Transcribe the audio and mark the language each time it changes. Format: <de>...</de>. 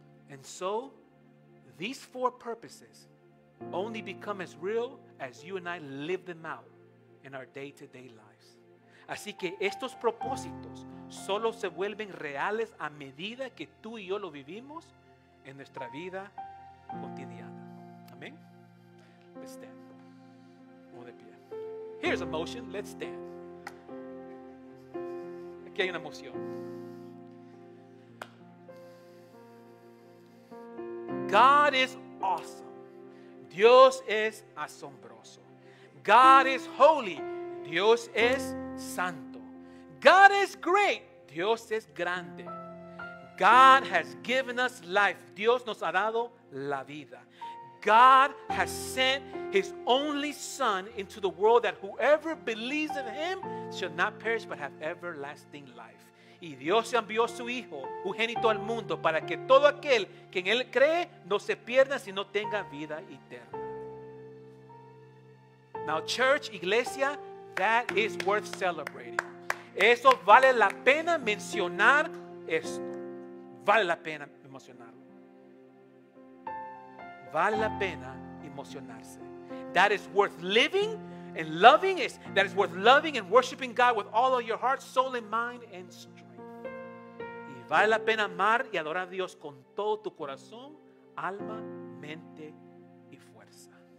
<en>And so, these four purposes only become as real as you and I live them out in our day-to-day lives.</en> <es>Así que estos propósitos solo se vuelven reales a medida que tú y yo lo vivimos en nuestra vida cotidiana.</es> <en>Amén. Let's stand.</en> <es>Vamos de pie.</es> <en>Here's a motion. Let's stand.</en> <es>Aquí hay una moción.</es> <en>God is awesome.</en> <es>Dios es asombroso.</es> <en>God is holy.</en> <es>Dios es santo.</es> <en>God is great.</en> <es>Dios es grande.</es> <en>God has given us life.</en> <es>Dios nos ha dado la vida.</es> <en>God has sent his only son into the world that whoever believes in him shall not perish but have everlasting life.</en> <es>Y Dios envió su hijo unigénito al mundo para que todo aquel que en él cree no se pierda sino tenga vida eterna.</es> <en>Now church, iglesia, that is worth celebrating.</en> <es>Eso vale la pena mencionar esto. Vale la pena emocionarlo. Vale la pena emocionarse.</es> <en>That is worth living and loving. That is worth loving and worshiping God with all of your heart, soul, and mind, and strength.</en> <es>Y vale la pena amar y adorar a Dios con todo tu corazón, alma, mente y fuerza.</es>